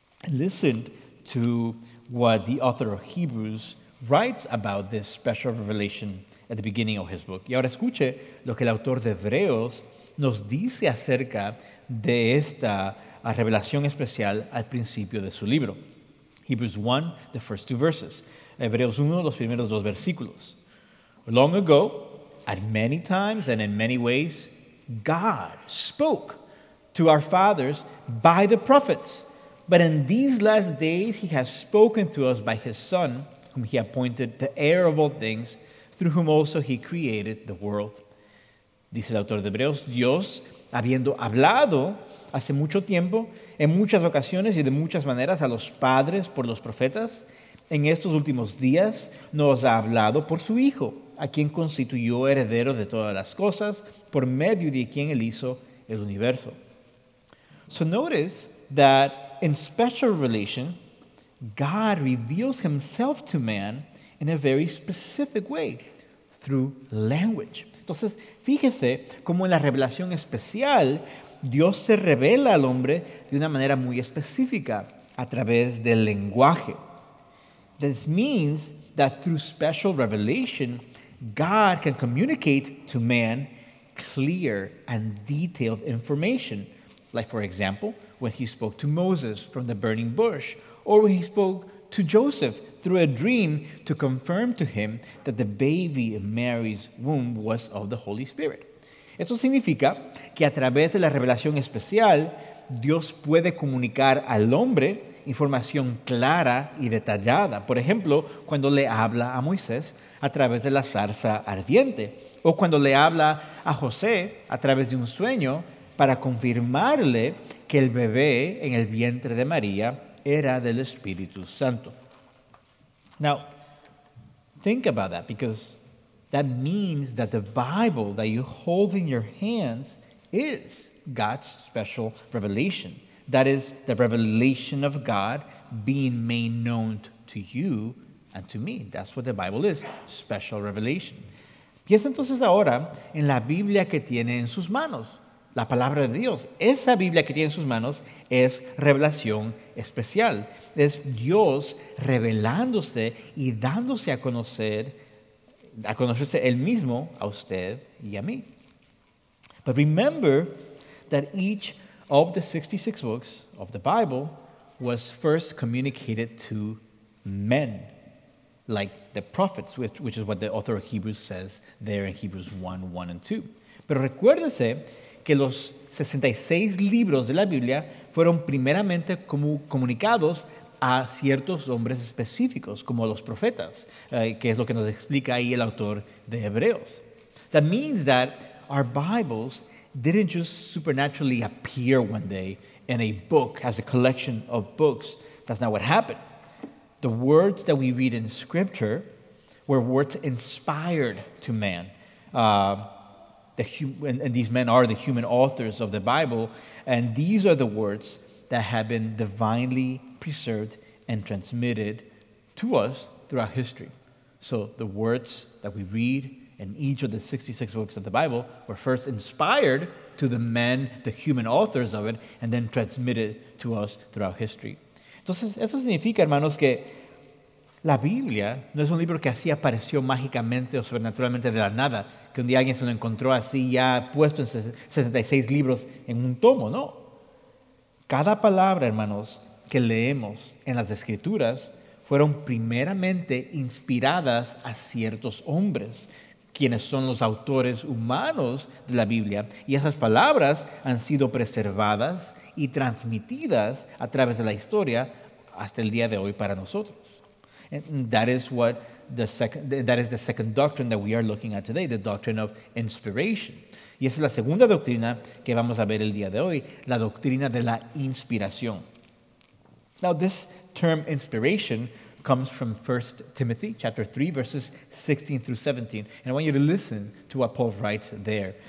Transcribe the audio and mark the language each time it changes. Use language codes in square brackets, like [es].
[en] Listen to what the author of Hebrews writes about this special revelation at the beginning of his book. [es] Y ahora escuche lo que el autor de Hebreos nos dice acerca de esta revelación especial al principio de su libro. [en] Hebrews 1, the first two verses. [es] Hebreos 1, los primeros dos versículos. [en] Long ago, at many times and in many ways, God spoke to our fathers by the prophets. But in these last days, He has spoken to us by His Son, whom He appointed the heir of all things, through whom also He created the world. [es] Dice el autor de Hebreos, Dios, habiendo hablado hace mucho tiempo, en muchas ocasiones y de muchas maneras a los padres por los profetas, en estos últimos días nos ha hablado por su Hijo, a quien constituyó heredero de todas las cosas, por medio de quien Él hizo el universo. [en] So notice that in special revelation, God reveals Himself to man in a very specific way, through language. [es] Entonces, fíjese cómo en la revelación especial, Dios se revela al hombre de una manera muy específica, a través del lenguaje. [en] This means that through special revelation, God can communicate to man clear and detailed information. Like, for example, when He spoke to Moses from the burning bush, or when He spoke to Joseph through a dream to confirm to him that the baby in Mary's womb was of the Holy Spirit. [es] Eso significa que a través de la revelación especial, Dios puede comunicar al hombre información clara y detallada. Por ejemplo, cuando le habla a Moisés a través de la zarza ardiente, o cuando le habla a José a través de un sueño para confirmarle que el bebé en el vientre de María era del Espíritu Santo. [en] Now, think about that, because that means that the Bible that you hold in your hands is God's special revelation. That is the revelation of God being made known to you and to me. That's what the Bible is, special revelation. [es] Piensa entonces ahora en la Biblia que tiene en sus manos, la palabra de Dios. Esa Biblia que tiene en sus manos es revelación especial. Es Dios revelándose y dándose a conocerse Él mismo a usted y a mí. [en] But remember that each of the 66 books of the Bible was first communicated to men, like the prophets, which is what the author of Hebrews says there in Hebrews 1, 1 and 2. [es] Pero recuérdese que los 66 libros de la Biblia fueron primeramente comunicados a ciertos hombres específicos, como los profetas, que es lo que nos explica ahí el autor de Hebreos. [en] That means that our Bibles didn't just supernaturally appear one day in a book, as a collection of books. That's not what happened. The words that we read in Scripture were words inspired to man. And these men are the human authors of the Bible, and these are the words that have been divinely preserved and transmitted to us throughout history. So the words that we read in each of the 66 books of the Bible were first inspired to the men, the human authors of it, and then transmitted to us throughout history. [es] Entonces, eso significa, hermanos, que la Biblia no es un libro que así apareció mágicamente o sobrenaturalmente de la nada, que un día alguien se lo encontró así ya puesto en 66 libros en un tomo, ¿no? Cada palabra, hermanos, que leemos en las Escrituras fueron primeramente inspiradas a ciertos hombres, quienes son los autores humanos de la Biblia. Y esas palabras han sido preservadas y transmitidas a través de la historia hasta el día de hoy para nosotros. [en] And that is what the second, that is the second doctrine that we are looking at today, the doctrine of inspiration. [es] Y esa es la segunda doctrina que vamos a ver el día de hoy, la doctrina de la inspiración. [en] Now, this term inspiration comes from 1 Timothy chapter 3, verses 16 through 17. And I want you to listen to what Paul writes there.